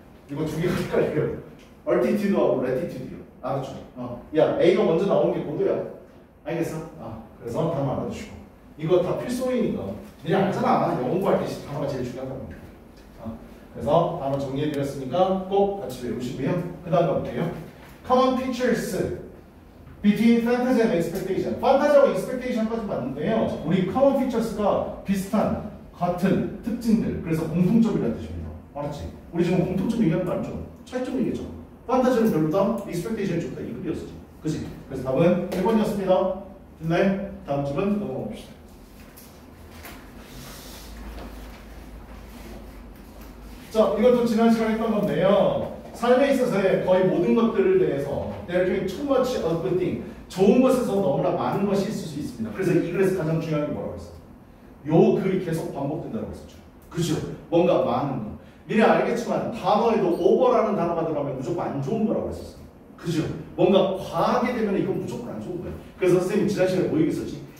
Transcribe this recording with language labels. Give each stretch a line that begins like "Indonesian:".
Korean: 이거 두 개가 헷갈려요. 얼티튜드하고 레티튜드요. 알았죠? 야, A가 먼저 나온 게 고도야. 알겠어? 그래서 단어 알아주시고. 이거 다 필수인이니까. 니네 알잖아. 영어 공부할 때 단어가 제일 중요하다고. 그래서 단어 정리해드렸으니까 꼭 같이 외우시고요. 그 다음 가볼게요.
English: Common features between fantasy and expectation.
Korean: Fantasy와 expectation까지 맞는데요. 우리 common features가 비슷한, 같은 특징들. 그래서 공통점이라는 뜻입니다. 알았지? 우리 지금 공통점 얘기한 거 알죠? 차이점 얘기죠. 판타지는 별로다, 익스펙테이션이 좋다, 이글이었어. 그치? 그래서 답은 1번이었습니다. 됐나요? 다음 질문 넘어가 봅시다. 자, 이것도 지난 시간에 했던 건데요. 삶에 있어서의 거의 모든 것들을 대해서
English: there can be too much of a good thing.
Korean: 좋은 것에서 너무나 많은 것이 있을 수 있습니다. 그래서 이 글에서 가장 중요한 게 뭐라고 했어? 요 글이 계속 반복된다고 했었죠. 그죠? 뭔가 많은 것. 미리 알겠지만 단어에도 over라는 단어가 들어가면 무조건 안 좋은 거라고 했었어요. 그죠? 뭔가 과하게 되면 이건 무조건 안 좋은 거예요. 그래서 선생님 지난 시간에 뭐 얘기했었지?